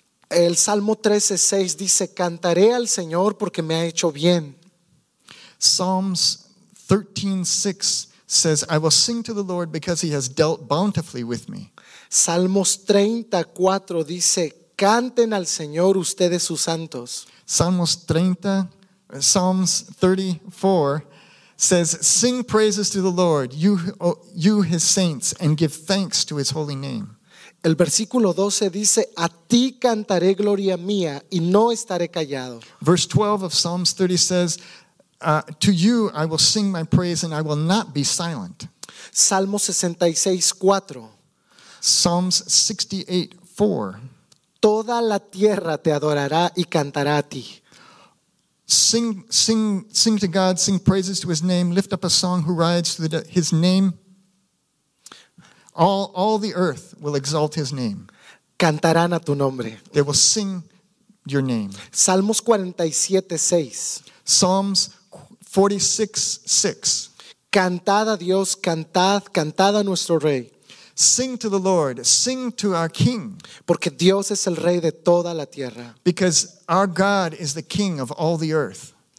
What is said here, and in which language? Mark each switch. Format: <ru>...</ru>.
<es>El Salmo 13:6 dice, cantaré al Señor porque me ha hecho bien.</es> <en>Psalms 13:6 says, I will sing to the Lord because he has dealt bountifully with me.</en> <es>Salmos 30:4 dice, canten al Señor ustedes sus santos.</es> <en>Psalms 34 says, sing praises to the Lord, you his saints, and give thanks to his holy name.</en> <es>El versículo 12 dice, a ti cantaré gloria mía y no estaré callado.</es> <en>Verse 12 of Psalms 30 says, to you I will sing my praise and I will not be silent.</en> <es>Salmo 66:4.</es> <en>Psalms 68:4.</en> <es>Toda la tierra te adorará y cantará a ti.</es> <en>Sing to God, sing praises to his name, lift up a song who rides to his name. All the earth will exalt his name.</en> <es>Cantarán a tu nombre.</es> <en>They will sing your name.</en> <es>Salmos 47:6.</es> <en>Psalms 46:6.</en> <es>Cantad a Dios, cantad a nuestro rey.</es> <en>Sing to the Lord, sing to our King.</en> <es>Porque Dios es el rey de toda la tierra.</es> <en>Because our God is the King of all the earth.</en>